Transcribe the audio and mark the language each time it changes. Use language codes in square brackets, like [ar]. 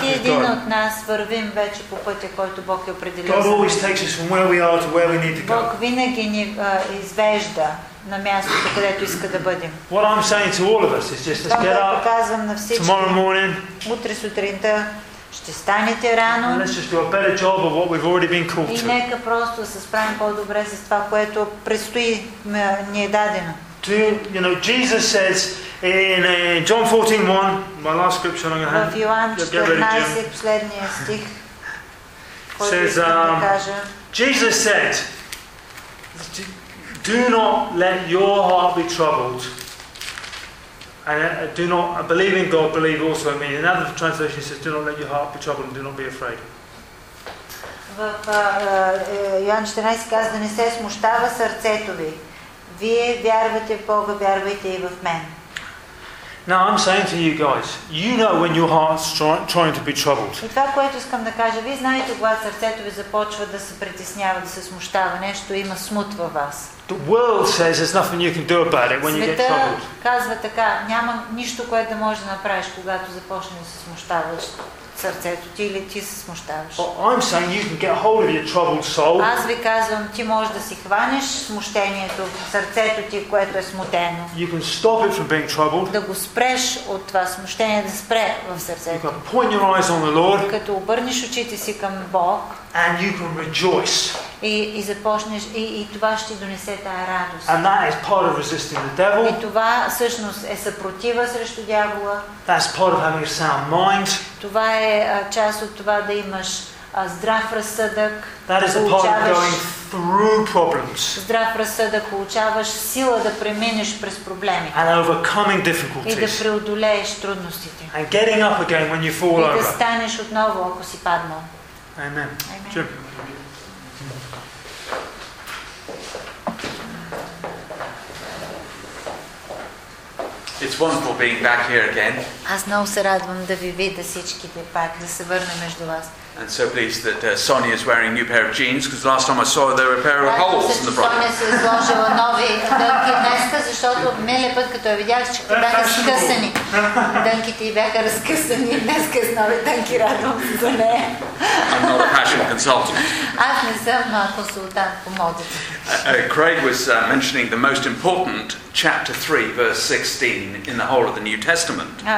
[bg] Всеки един от нас вървим вече по пътя, който Бог е определил. [en] God always takes us from where we are to where we need to go. [bg] Бог винаги ни извежда на мястото, където иска да бъдем. [en] What I'm saying to all of us is just let's get up. Tomorrow morning. [bg] Утре сутринта ще станете рано. [en] Let's just do a better job of what we've already been called to. [bg] И нека просто се справим по-добре с това, което предстои ни е дадено. [en] You know, Jesus says in John 14:1, my last scripture, I'm going to have. [bg] Йоан 14, последния стих. [en] Says Jesus said, do not let your heart be troubled. And do not believe in God, believe also in me. Another translation says, do not let your heart be troubled and do not be afraid. [bg] В Йоан 14 казва, да не се смущава сърцето ви. Вие вярвате в Бога, вярвайте и в мен. [en] Now I'm saying to you guys, you know when your heart's trying to be troubled. [bg] И това, което искам да кажа, вие знаете, когато сърцето ви започва да се притеснява, да се смущава, нещо има смут във вас. [en] The world says there's nothing you can do about it when you get troubled. [bg] Света казва така, няма нищо, което да можеш да направиш, когато започнеш да се смущаваш. Сърцето ти или ти се смущаваш. [en] I'm saying you can get hold of your troubled soul. [bg] Аз ви казвам, ти можеш да си хванеш смущението в сърцето ти, което е смутено. [en] You can stop it from being troubled. [bg] Да го спреш от това смущение, да спре в сърцето. [en] You can point your eyes on the Lord. [bg] Като обърнеш очите си към Бог. [en] And you can rejoice. [bg] И започнеш, и това ще донесе тая радост. [en] And that is part of resisting the devil. [bg] И това всъщност е съпротива срещу дявола. [en] That's part of having a sound mind. [bg] Това е част от това да имаш здрав разсъдък. [en] That is a part of going through problems. [bg] Здрав разсъдък, получаваш сила да преминеш през проблеми. [en] And overcoming difficulties. [bg] И да преодолееш трудностите. [en] And getting up again when you fall over. [bg] И да станеш отново, ако си паднал. [en] Amen. Amen. It's wonderful being back here again. [bg] Аз много се радвам да ви видя всичките пак, да се върна между вас. [en] And so pleased that Sonia is wearing new pair of jeans because last time I saw her there were a pair of holes in the bra. [bg] Sonia се изложила нови дънки днеска, защото миналия път като я видях, че бяха разкъсани. Дънките ѝ бяха разкъсани, днеска с нови дънки, радвам се за нея. [en] I'm not a fashion consultant. [bg] Аз не съм консултант по модите. [en] Craig was mentioning the most important chapter 3 verse 16 in the whole of the New Testament.